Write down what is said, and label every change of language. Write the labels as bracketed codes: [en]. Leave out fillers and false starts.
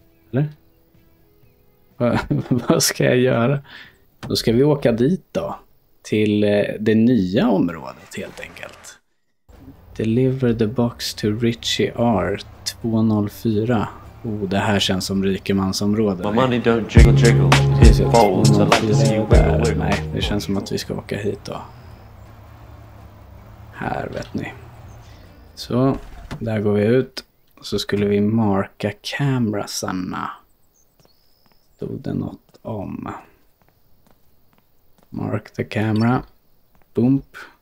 [sv] Eller? Vad ska jag göra? Då ska vi åka dit då. Till det nya området helt enkelt. [en] Deliver the box to Richie R 204. [sv] Oh, det här känns som rikemansområde. [en] My money don't jiggle jiggle. It falls, I like to see you wiggle wiggle. [sv] Nej, det känns som att vi ska åka hit då. Här vet ni. Så, där går vi ut. Så skulle vi marka kamerasarna. Stod det något om. [en] Mark the camera. [sv] Bump.